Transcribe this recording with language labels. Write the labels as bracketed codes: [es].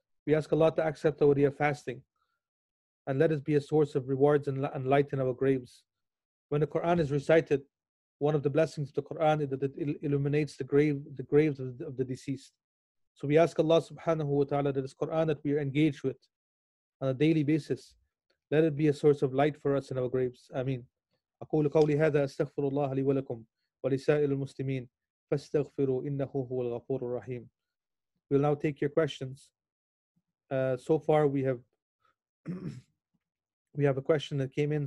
[en] We ask Allah to accept our day of fasting and let us be a source of rewards and light in our graves. When the Quran is recited, one of the blessings of the Quran is that it illuminates the graves of the deceased. So we ask Allah subhanahu wa ta'ala that this Quran that we are engaged with on a daily basis, let it be a source of light for us in our graves. Ameen. [ar] أقول قولي هذا أستغفر الله لي ولكم ولسائر المسلمين فاستغفروا إنه هو الغفور الرحيم. [en] We'll now take your questions. So far we have a question that came in.